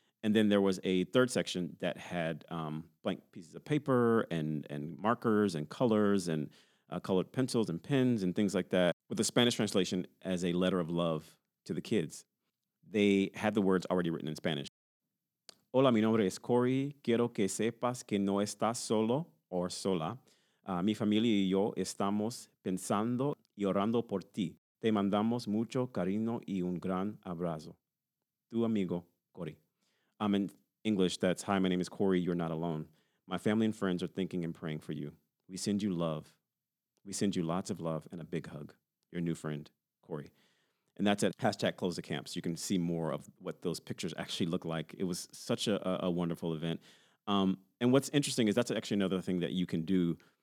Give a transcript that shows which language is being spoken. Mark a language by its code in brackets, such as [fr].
[en] And then there was a third section that had blank pieces of paper and markers and colors and colored pencils and pens and things like that, with a Spanish translation as a letter of love to the kids. They had the words already written in Spanish. [es] Hola, mi nombre es Corey. Quiero que sepas que no estás solo o sola. Mi familia y yo estamos pensando y orando por ti. Te mandamos mucho cariño y un gran abrazo. Tu amigo, [en] Corey. I'm in English. That's, hi, my name is Corey. You're not alone. My family and friends are thinking and praying for you. We send you love. We send you lots of love and a big hug. Your new friend, Corey. And that's at hashtag Close the Camps. You can see more of what those pictures actually look like. It was such a wonderful event. And what's interesting is that's actually another thing that you can do.